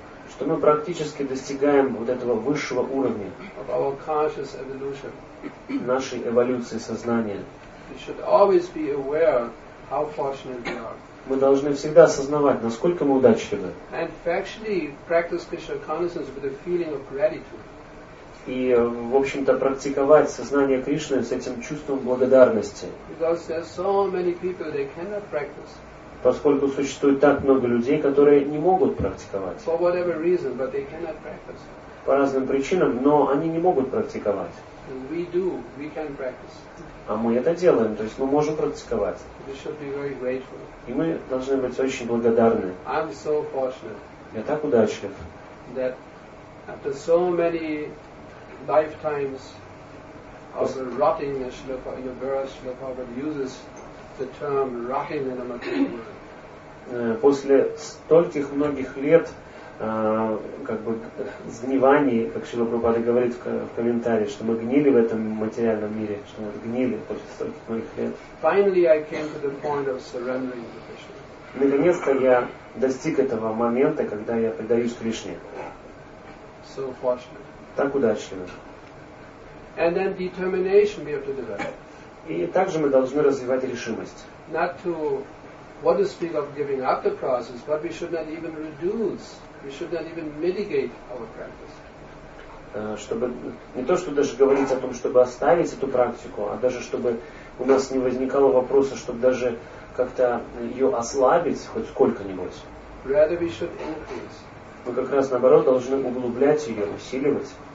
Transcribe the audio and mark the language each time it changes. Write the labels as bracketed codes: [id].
[ru] Что мы практически достигаем вот этого высшего уровня. [en] Of our conscious evolution. [ru] Нашей эволюции сознания. [en] We should always be aware how fortunate we are. [ru] Мы должны всегда осознавать, насколько мы удачливы. [en] And factually practice Krishna consciousness with a feeling of gratitude. [ru] И, в общем-то, практиковать сознание Кришны с этим чувством благодарности. [en] Because there are so many people they cannot practice. [ru] Поскольку существует так много людей, которые не могут практиковать. [en] For whatever reason, but they cannot practice. [ru] По разным причинам, но они не могут практиковать. [en] And we do, we can practice. [ru] А мы это делаем, то есть мы можем практиковать. [en] We should be very grateful. [ru] И мы должны быть очень благодарны. [en] I'm so fortunate. [ru] Я так удачлив. [en] That after so many lifetimes of rotting, Shilapa uses the term rotting in a material world. [ru] После стольких многих лет как бы сгнивание, как Шрила Прабхупада говорит в комментарии, что мы гнили в этом материальном мире, что мы гнили после стольких многих лет. [en] Finally, I came to the point of surrendering to Krishna. [ru] Наконец-то я достиг этого момента, когда я предаюсь Кришне. [en] So fortunate. [ru] Так удачливо. [en] And then determination we have to develop. [ru] И также мы должны развивать решимость. [en] Not to what to speak of giving up the process, but we should not even reduce, we should not even mitigate our practice. [ru] Чтобы не то, что даже говорить о том, чтобы оставить эту практику, а даже чтобы у нас не возникало вопроса, чтобы даже как-то ее ослабить хоть сколько-нибудь. Мы как раз наоборот должны углублять ее, усиливать.